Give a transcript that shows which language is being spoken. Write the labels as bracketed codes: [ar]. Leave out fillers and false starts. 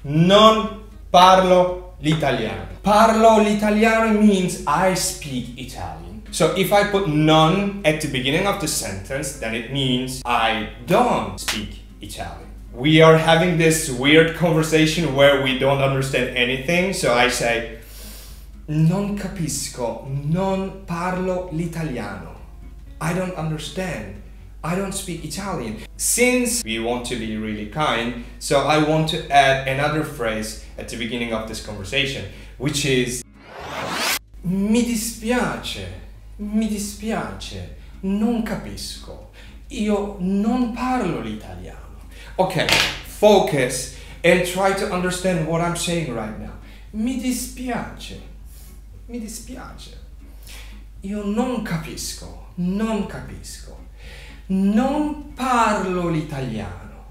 [it] Non parlo l'italiano. Parlo l'italiano [en] means I speak Italian. So if I put non at the beginning of the sentence, then it means I don't speak Italian. We are having this weird conversation where we don't understand anything. So I say, [it] non capisco, non parlo l'italiano. [en] I don't understand. I don't speak Italian. Since we want to be really kind, so I want to add another phrase at the beginning of this conversation, which is [it] mi dispiace, mi dispiace, non capisco, io non parlo l'italiano. [en] Okay, focus and try to understand what I'm saying right now. [it] Mi dispiace, mi dispiace, io non capisco, non capisco, non parlo l'italiano.